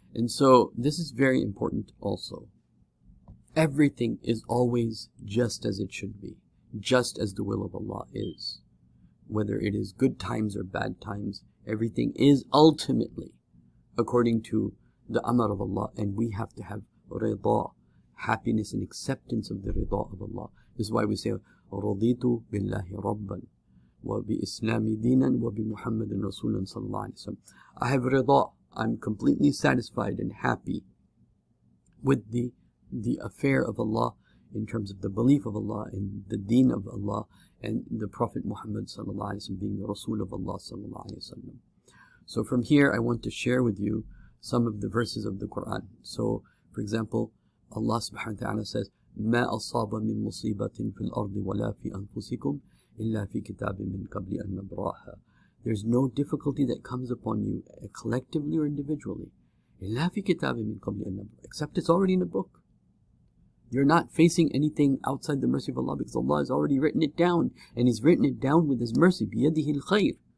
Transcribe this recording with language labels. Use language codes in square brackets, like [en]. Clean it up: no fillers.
[en] And so this is very important also. Everything is always just as it should be, just as the will of Allah is. Whether it is good times or bad times, everything is ultimately according to the amr of Allah, and we have to have rida, happiness and acceptance of the rida of Allah. This is why we say, [ar] رَضِيتُ بِاللَّهِ رَبًّا وَبِإِسْلَامِ دِينًا وَبِمُحَمَّدٍ رَسُولًا صلى الله عليه وسلم. [en] I have rida, I'm completely satisfied and happy with the affair of Allah in terms of the belief of Allah and the deen of Allah and the Prophet Muhammad sallallahu alaihi wasallam being the Rasul of Allah sallallahu alaihi wasallam. So from here I want to share with you some of the verses of the Quran. So for example, Allah subhanahu wa ta'ala says, [ar] مَا أَصَابَ مِن مُصِيبَةٍ فِي الْأَرْضِ وَلَا فِي أَنفُسِكُمْ إِلَّا فِي كِتَابٍ مِن قَبْلِ أَن نَبْرَأَهَا. [en] There's no difficulty that comes upon you collectively or individually, [ar] إِلَّا فِي كِتَابٍ مِن قَبْلِ أَن نَبْرَأَهَا, [en] except it's already in a book. You're not facing anything outside the mercy of Allah, because Allah has already written it down, and He's written it down with His mercy, [ar] بِيَدِهِ الْخَيْرِ.